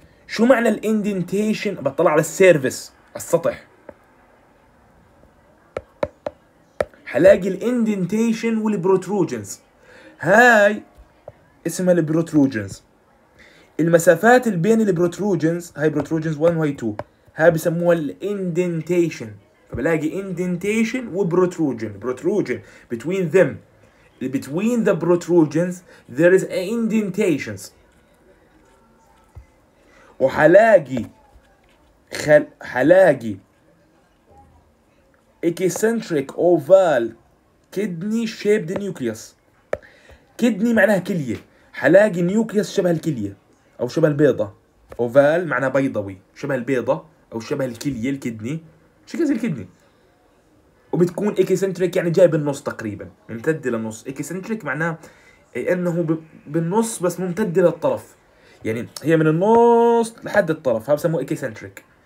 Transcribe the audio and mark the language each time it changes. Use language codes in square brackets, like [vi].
[ar] شو معنى الindentation؟ بطلع على السيرفس السطح هلاقي الindentation والprotrusions. هاي اسمها البروتروجنز. المسافات اللي بين البروتروجنز، هاي بروتروجنز 1 وهي 2، هاي بسموها الاندنتيشن. فبلاقي اندنتيشن وبروتروجن، بروتروجن [en] between them، between the protrusions there is indentations. [ar] وحلاقي حلاقي [en] eccentric oval kidney shaped nucleus. [ar] كدني معناها كلية، حلاقي نيوكليس شبه الكلية أو شبه البيضة، أوفال معناها بيضوي شبه البيضة أو شبه الكلية الكدني، شكل الكدني، وبتكون إكسنتريك يعني جاي بالنص تقريبا، ممتد للنص. إكسنتريك معناها أنه بالنص بس ممتد للطرف، يعني هي من النص لحد الطرف، هذا بسموه إكسنتريك.